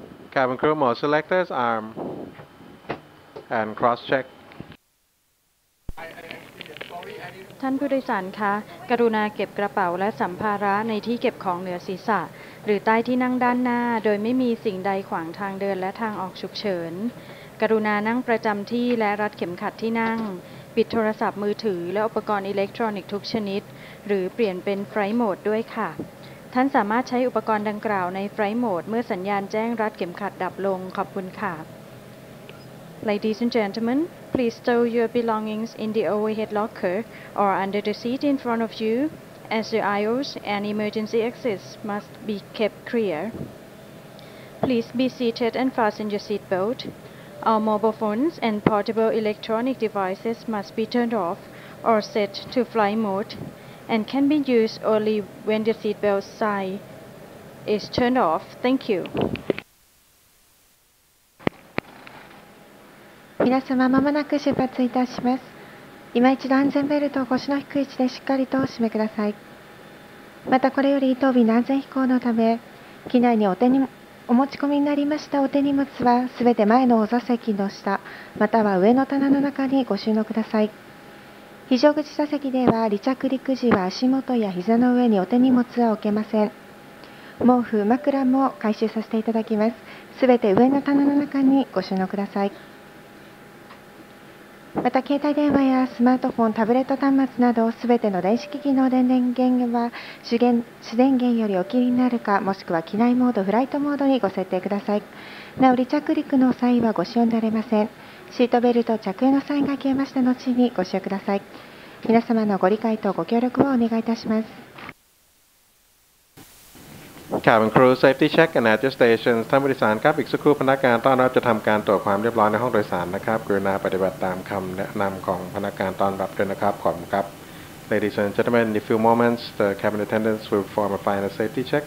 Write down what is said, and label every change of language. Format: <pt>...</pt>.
<en>Cabin crew must select his arm and cross check.</en> <th>ท่านผู้โดยสารคะกรุณาเก็บกระเป๋าและสัมภาระในที่เก็บของเหนือศีรษะหรือใต้ที่นั่งด้านหน้าโดยไม่มีสิ่งใดขวางทางเดินและทางออกฉุกเฉิน กรุณานั่งประจำที่และรัดเข็มขัดที่นั่งปิดโทรศัพท์มือถือและอุปกรณ์อิเล็กทรอนิกส์ทุกชนิดหรือเปลี่ยนเป็นไฟโหมดด้วยค่ะท่านสามารถใช้อุปกรณ์ดังกล่าวในไฟโหมดเมื่อสัญญาณแจ้งรัดเข็มขัดดับลงขอบคุณค่ะ</th> <en>Ladies and gentlemen please stow your belongings in the overhead locker or under the seat in front of youAs the aisles and emergency exits must be kept clear. Please be seated and fasten your seat belt. All mobile phones and portable electronic devices must be turned off or set to fly mode and can be used only when the seat belt sign is turned off. Thank you.</en> <ja>みなさま、まもなく出発いたします。いま一度安全ベルトを腰の低い位置でしっかりとお締めください。またこれより当便の安全飛行のため、機内にお持ち込みになりましたお手荷物はすべて前のお座席の下、または上の棚の中にご収納ください。非常口座席では離着陸時は足元や膝の上にお手荷物は置けません。毛布、枕も回収させていただきます。すべて上の棚の中にご収納ください。また携帯電話やスマートフォン、タブレット端末などすべての電子機器の電源は主電源よりお切りになるか、もしくは機内モード、フライトモードにご設定ください。なお離着陸の際はご使用になれません。シートベルト着用のサインが消えました後にご使用ください。皆様のご理解とご協力をお願いいたします。</ja> <en>Cabin crew safety check and at your stations.</en> <th>ท่านผู้โดยสารครับอีกสักครู่พนักงานต้อนรับจะทำการตรวจความเรียบร้อยในห้องโดยสารนะครับกรุณาปฏิบัติตามคำแนะนำของพนักงานต้อนรับด้วยนะครับขอบคุณครับ</th> <en>Ladies and gentlemen, in a few moments, the cabin attendants will perform a final safety check.</en>